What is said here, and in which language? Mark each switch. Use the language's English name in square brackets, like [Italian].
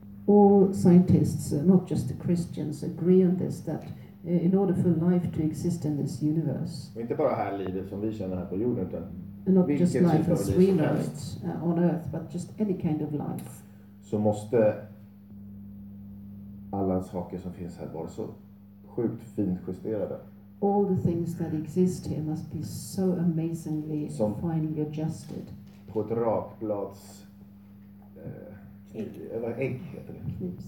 [English] All scientists, not just the Christians, agree on this, that in order for life to exist in this universe. [Swedish] Inte bara här livet som vi känner här på jorden, utan [English] not just life as we know it on earth, but just any kind of life. [Swedish] Så måste alla saker som finns här vara så sjukt fint justerade. [English] All the things that exist here must be so amazingly som finely adjusted. [Swedish] På ett rakblads ägg heter det.